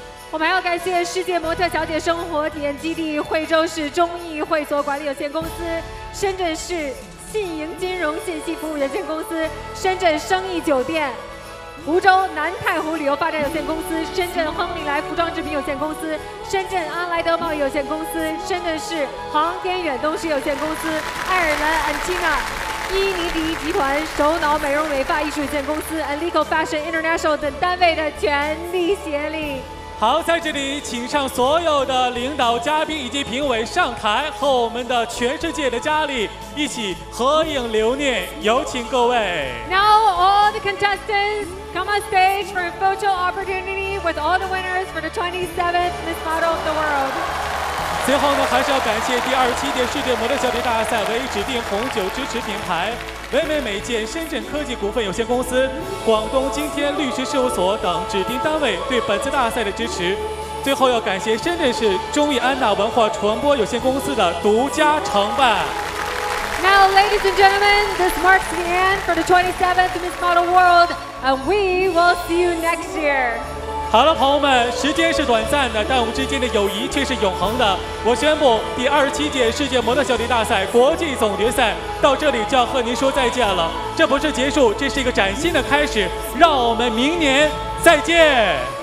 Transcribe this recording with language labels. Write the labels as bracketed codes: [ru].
[zh] 我们还要感谢世界模特小姐生活体验基地惠州市中艺会所管理有限公司、深圳市信盈金融信息服务有限公司、深圳生意酒店、湖州南太湖旅游发展有限公司、深圳亨利来服装制品有限公司、深圳阿莱德贸易有限公司、深圳市航天远东市有限公司、爱尔兰安琪娜伊尼迪集团、首脑美容美发艺术有限公司、Enlico Fashion International 等单位的全力协力。好，在这里请上所有的领导嘉宾以及评委上台，和我们的全世界的佳丽一起合影留念，有请各位。 [en] Now all the contestants come on stage for a photo opportunity with all the winners for the 27th Miss Model of the World。 [zh] 最后呢，还是要感谢第27届世界模特小姐大赛唯指定红酒支持品牌唯美美健深圳科技股份有限公司、广东今天律师事务所等指定单位对本次大赛的支持。最后要感谢深圳市中艺安娜文化传播有限公司的独家承办。 [en] Now, ladies and gentlemen, this marks the end for the 27th Miss Model World, and we will see you next year. [zh] 好了，朋友们，时间是短暂的，但我们之间的友谊却是永恒的。我宣布，第27届世界模特小姐大赛国际总决赛到这里就要和您说再见了。这不是结束，这是一个崭新的开始。让我们明年再见。